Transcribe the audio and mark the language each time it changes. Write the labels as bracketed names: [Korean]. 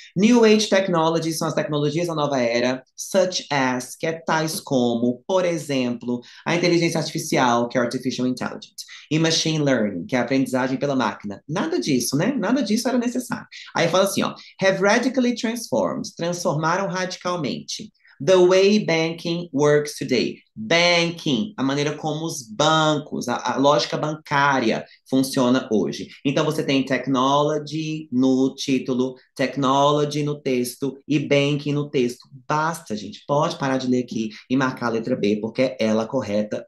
[English] New Age Technologies [Portuguese] são as tecnologias da nova era, [English] such as, [Portuguese] que é tais como, por exemplo, a inteligência artificial, que é [English] Artificial Intelligence, [Portuguese] e [English] Machine Learning, [Portuguese] que é a aprendizagem pela máquina. Nada disso, né? Nada disso era necessário. Aí fala assim, ó. [English] Have radically transformed, [Portuguese] transformaram radicalmente. [English] The way banking works today. [Portuguese] Banking, a maneira como os bancos, a lógica bancária funciona hoje. Então você tem technology no título, technology no texto e banking no texto. Basta, gente, pode parar de ler aqui e marcar a letra B, porque é ela correta.